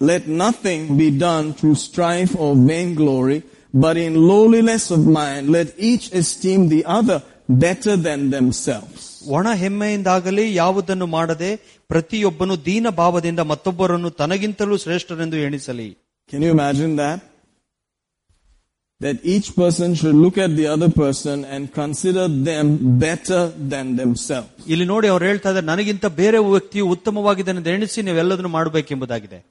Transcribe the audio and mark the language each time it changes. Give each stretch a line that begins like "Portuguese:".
English: Let nothing be done to strife or vain glory, but in lowliness of mind let each esteem the other better than themselves.
Kannada: ಒಣ ಹೆಮ್ಮೆಯಿಂದಾಗಲಿ ಯಾವುದನ್ನು ಮಾಡದೆ ಪ್ರತಿಯೊಬ್ಬನು ದೀನ ಭಾವದಿಂದ ಮತ್ತೊಬ್ಬರನ್ನು ತನಗಿಂತಲೂ ಶ್ರೇಷ್ಠರೆಂದು ಎಣಿಸಲಿ.
English: Can you imagine that? That each person should look at the other person and consider them better than themselves.
Kannada: ಇಲ್ಲಿ ನೋಡಿ ಅವರು ಹೇಳ್ತಾ ಇದ್ದಾರೆ, ನನಗಿಂತ ಬೇರೆ ವ್ಯಕ್ತಿಯು ಉತ್ತಮವಾಗಿದ್ದಾನೆ ಎಣಿಸಿ ನೀವೆಲ್ಲದನ್ನು ಮಾಡಬೇಕೆಂಬುದಾಗಿದೆ.